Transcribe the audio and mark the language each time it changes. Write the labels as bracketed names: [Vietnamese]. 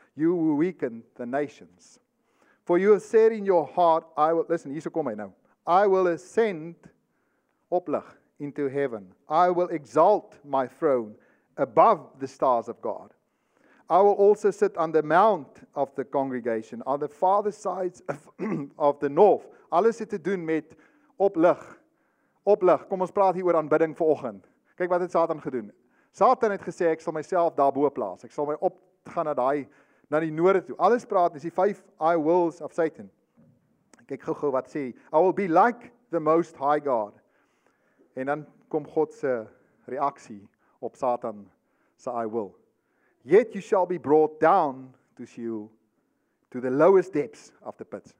[English] You who weaken the nations. For you have said in your heart, I will, listen, [Afrikaans] hier so kom hy nou. [English] I will ascend, oplig, into heaven. I will exalt my throne above the stars of God. I will also sit on the mount of the congregation, on the farthest sides of the north. [Afrikaans] Alles het te doen met oplig. Oplig. Kom ons praat hier oor aanbidding vanoggend. Kyk wat het Satan gedoen. Satan het gesê, ek sal myself daarbo plaas. Ek sal my op gaan na die noorde toe. Alles praat, is die 5 [English] I wills of Satan. [Afrikaans] Kyk gou wat sê. [English] I will be like the most high God. [Afrikaans] En dan kom God se reaksie op Satan se I will. [English] Yet you shall be brought down to Sheol, to the lowest depths of the pit.